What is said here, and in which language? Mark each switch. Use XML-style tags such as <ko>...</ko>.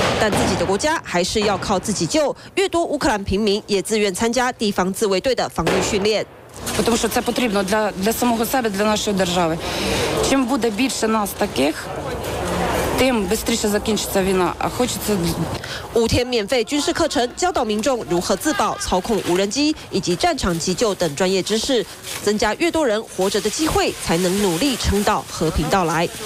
<zh>但自己的国家还是要靠自己救。越多乌克兰平民也自愿参加地方自卫队的防御训练。</zh> <uk>Тому що це потрібно для самого себе, для нашої держави. Чим буде більше нас таких, тим швидше закінчиться війна. А хочеться</uk> <zh>5天免费军事课程，教导民众如何自保、操控无人机以及战场急救等专业知识。增加越多人活着的机会，才能努力撑到和平到来。</zh>